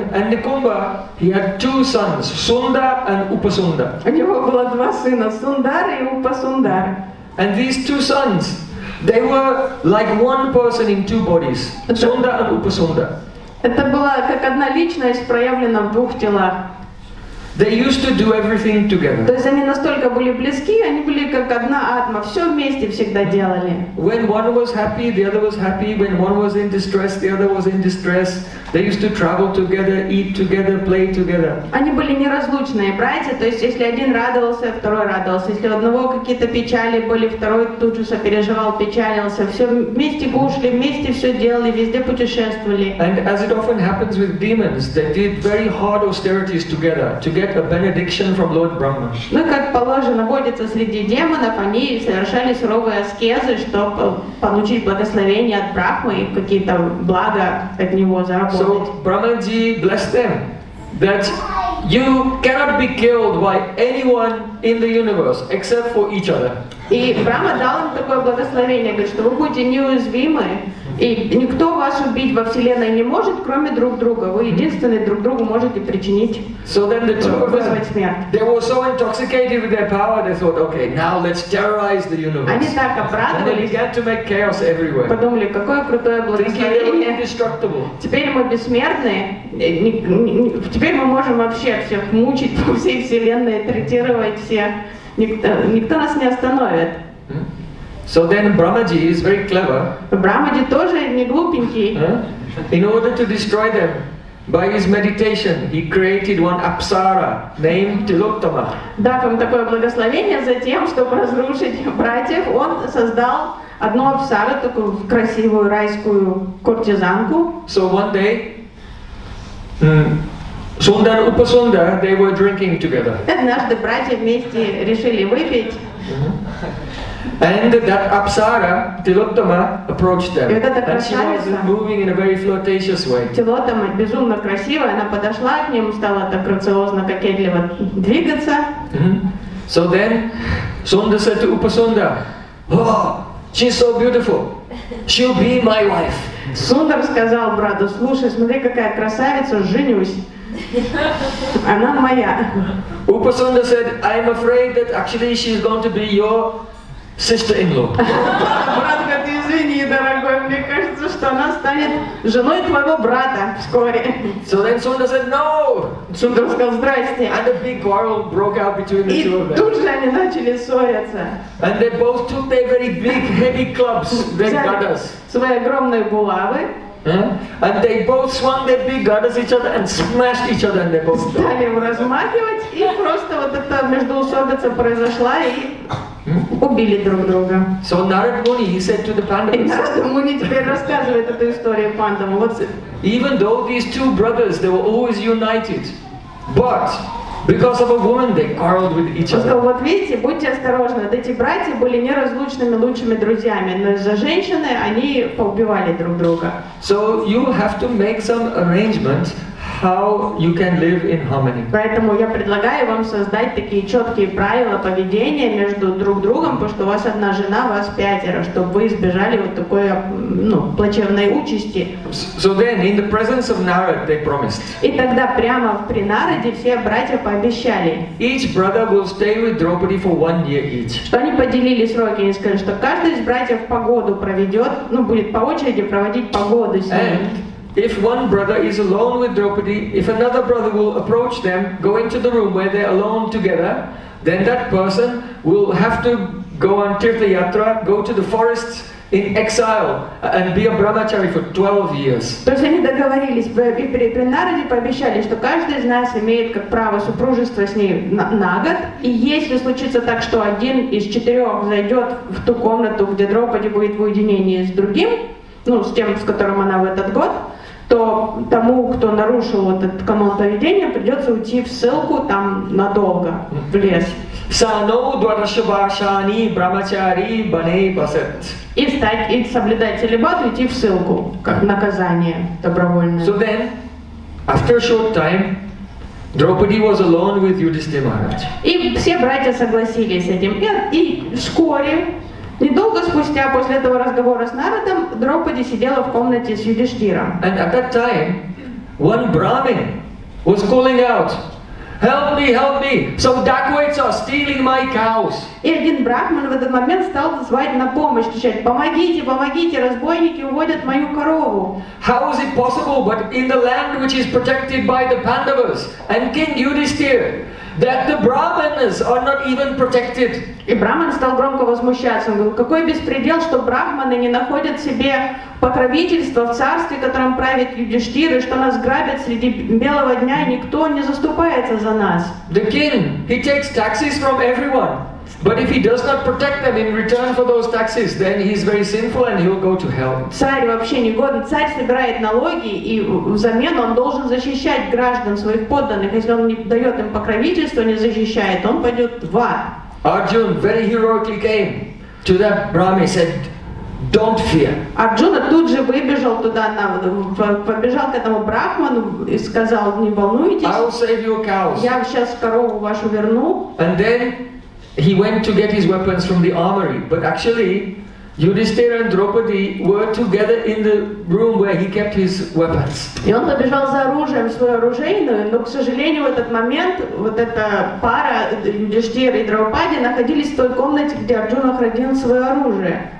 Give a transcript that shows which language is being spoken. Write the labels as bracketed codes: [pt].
[en] And Nikumba, he had two sons, Sunda and Upasunda. [ru] У него было два сына, Сундар и Упасундар. [en] And these two sons, they were like one person in two bodies, Sunda and Upasunda. [ru] Это была как одна личность, проявлена в двух телах. [en] They used to do everything together. [ru] То есть они настолько были близки, они были как одна атма, все вместе всегда делали. [en] When one was happy, the other was happy. When one was in distress, the other was in distress. They used to travel together, eat together, play together. [ru] Они были неразлучные братья, то есть если один радовался, второй радовался. Если у одного какие-то печали были, второй тут же сопереживал, печалился. Все вместе кушали, вместе все делали, везде путешествовали. [en] And as it often happens with demons, they did very hard austerities together. To get a benediction from Lord Brahma. [ru] Ну как положено водится среди демонов, они совершали суровые аскезы, чтобы получить благословение от Брахмы и какие-то блага от него заработать. [en] So Brahmaji blessed them that you cannot be killed by anyone in the universe except for each other. [ru] И Брахма дал им такое благословение, говорит, что вы будете неуязвимы. И никто вас убить во Вселенной не может, кроме друг друга. Вы единственные друг другу можете причинить, [en] so then the two of them, [ru] вызвать смерть. [en] They were so intoxicated with their power, they thought, okay, now let's terrorize the universe. [ru] Они так обрадовались. [en] And they began to make chaos everywhere. [ru] Подумали, какое крутое благословение. [en] Thinking they were indestructible. [ru] Теперь мы бессмертные. Теперь мы можем вообще всех мучить по всей Вселенной, третировать всех. Никто нас не остановит. [en] So then Brahmaji is very clever. [ru] Брахмаджи тоже не глупенький. [en] In order to destroy them, by his meditation, he created one apsara named Tilottama. [ru] Дав им такое благословение за тем, чтобы разрушить братьев, он создал одну апсару, такую красивую райскую куртизанку. [en] So one day, Sundar and Upasundar, they were drinking together. [ru] Однажды братья вместе решили выпить. [en] And that apsara, Tilottama, approached them. [ru] И вот эта красавица, [en] and she was moving in a very flirtatious way. [ru] Тилоттама безумно красивая, она подошла к нему, стала так грациозно, кокетливо двигаться. [en] So then, Sunda said to Upasunda, oh, she's so beautiful, she'll be my wife. [ru] Сундар сказал брату, слушай, смотри, какая красавица, женюсь. Она моя. [en] Upasunda said, I'm afraid that actually she's going to be your sister-in-law. [ru] Брат говорит, извини, дорогой, мне кажется, что она станет женой твоего брата вскоре. [en] So then Sunda said, no! [ru] Sunda сказал, здрасте. [en] And a big quarrel broke out between the [ru] и [en] two of them. [ru] И тут же они начали ссориться. [en] And they both took their very big heavy clubs, their gadas. [ru] Свои огромные булавы. [en] And they both swung their big guns at each other and smashed each other in the both. [ru] Стали размахивать и просто вот это междоусобица произошла и убили друг друга. [en] So Narad Muni, he said to the Pandavas. [ru] Narad Muni теперь рассказывает эту историю Пандавам. Вот. [en] Even though these two brothers, they were always united, but because of a woman, they quarreled with each other. [ru] Сказал, вот видите, будьте осторожны. Вот эти братья были неразлучными лучшими друзьями, но из-за женщины они поубивали друг друга. [en] So you have to make some arrangement how you can live in harmony. [ru] Поэтому я предлагаю вам создать такие четкие правила поведения между друг другом, потому что у вас одна жена, у вас пятеро, чтобы вы избежали вот такой плачевной участи. [en] So then, in the presence of Narad, they promised. [ru] И тогда прямо при Нараде все братья пообещали. [en] Each brother will stay with Draupadi for 1 year each. [ru] Что они поделили сроки, они сказали, что каждый из братьев по году проведет, будет по очереди проводить по году с ним. [en] And if one brother is alone with Draupadi, if another brother will approach them, go into the room where they're alone together, then that person will have to go on Tirtha Yatra, go to the forests in exile and be a brahmachari for 12 years. [ru] То есть они договорились, при Нараде пообещали, что каждый из нас имеет как право супружества с ней на год. И если случится так, что один из четырех зайдет в ту комнату, где Драупади будет в уединении с другим, с тем, с которым она в этот год, то тому, кто нарушил вот этот канон поведения, придется уйти в ссылку там надолго, в лес. Санау дварашабашани брамачари баней басет. И стать, и соблюдать целибат, уйти в ссылку, как наказание добровольное. [en] So then, after a short time, Draupadi was alone with Yudhishthira Maharaj. [ru] И все братья согласились с этим. И вскоре, недолго спустя после этого разговора с Нарадом, Драупади сидела в комнате с Юдиштиром. [en] And at that time, one Brahmin was calling out, Help me, help me! Some dacoits are stealing my cows. [ru] И один брахман в этот момент стал звать на помощь, кричать: помогите, помогите, разбойники уводят мою корову. [en] How is it possible, but in the land which is protected by the Pandavas and King Yudhisthira, that the brahmanas are not even protected? [ru] И брахман стал громко возмущаться. Он говорит: какой беспредел, что брахманы не находят себе покровительство в царстве, которым правит Юдиштир, и что нас грабят среди белого дня, и никто не заступается за нас. [en] The king, he takes taxes from everyone. But if he does not protect them in return for those taxes, then he is very sinful and he will go to hell. [ru] Царь вообще негодный. Царь собирает налоги, и взамен он должен защищать граждан своих подданных. Если он не дает им покровительство, не защищает, он пойдет в ад. [en] Arjun very heroically came to that Brahmin and said, "Don't fear." [ru] Арджуна тут же выбежал туда, побежал к этому брахману и сказал: "Не волнуйтесь. [en] I'll save your cows." [ru] Я сейчас корову вашу верну. [en] And then he went to get his weapons from the armory, but actually Yudhisthira and Draupadi were together in the room where he kept his weapons. [ru] И он побежал за оружием в свою оружейную, но, к сожалению, в этот момент вот эта пара, Юдхиштхира и Драупади, находились в той комнате, где Арджуна хранил свое оружие.